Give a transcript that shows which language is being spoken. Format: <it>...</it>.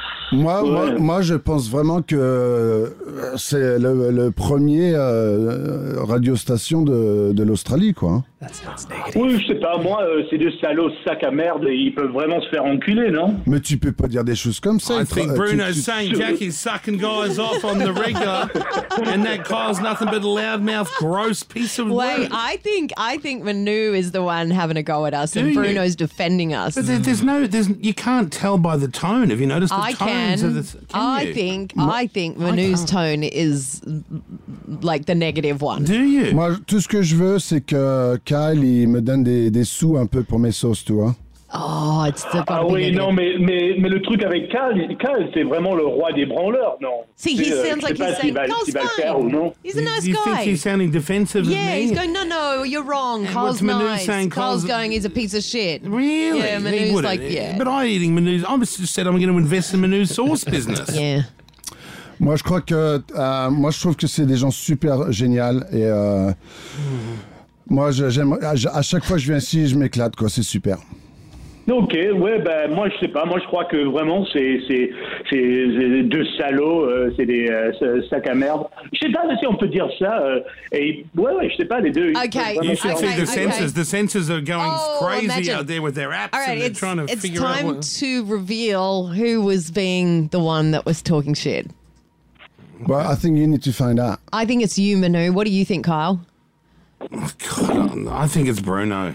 <fr>Moi, je pense vraiment que c'est le premier radio station de l'Australie, quoi. Oui, je sais pas, moi, c'est deux salauds sacs à merde et ils peuvent vraiment se faire enculer, non? Mais tu peux pas dire des choses comme ça.</fr> <en>I think Bruno's saying Jackie's sucking guys off on the regular and that Kyle's nothing but a loudmouth, gross piece of work. Wait, I think Manu is the one having a go at us and Bruno's defending us. But there's you can't tell by the tone. Have you noticed the tone? I think Manu's tone is like the negative one. Do you?</en> <fr>Moi, tout ce que je veux, c'est que Kyle il me donne des sous un peu pour mes sauces, tu vois.</fr> <en>Oh, it's the</en> <fr>ah oui, non, mais le truc avec Kyle, c'est vraiment le roi des branleurs, non?</fr> <en>See, he sounds like he's saying, Kyle's fine.</en> <fr>Va le faire ou non.</fr> <en>He's a nice guy. You think he's sounding defensive yeah, of me? Yeah, he's going, no, you're wrong. Kyle's nice. What's Manu saying? Kyle's going, he's a piece of shit. Really? Yeah, Manu's like, yeah. But I'm eating Manu's. I just said I'm going to invest in Manu's sauce business. Yeah.</en> <fr>Moi, je crois que... moi, je trouve que c'est des gens super géniales et... moi, à chaque fois que je viens ici, je m'éclate, quoi. C'est super. Ok, ouais, ben moi je sais pas, moi je crois que vraiment c'est deux salauds, c'est des sacs à merde. Je sais pas si on peut dire ça. Et je sais pas les deux.</fr> <en>Ok, you should see the sensors. The sensors are going crazy out there with their apps. All right, and they're trying to figure out. It's time to reveal who was being the one that was talking shit. Well, I think you need to find out. I think it's you, Manu. What do you think, Kyle? God, I think it's Bruno.</en>